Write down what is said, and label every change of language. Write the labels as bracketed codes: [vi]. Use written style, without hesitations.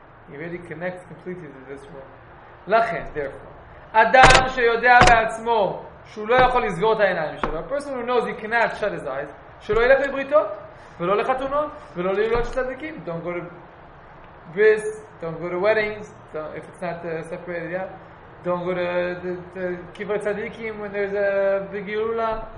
[en] He really connects completely to this world. Therefore, [he] אדם שיודע בעצמו שהוא לא יכול לסגור את העיניים שלו, [en] person who knows he cannot shut his eyes, [he] שלא ילך לבריתות ולא לחתונות ולא לילות של צדיקים. [en] Don't go to bris, don't go to weddings, if it's not separated, yeah. Don't go to kibbutz tzaddikim when there's a big gilula.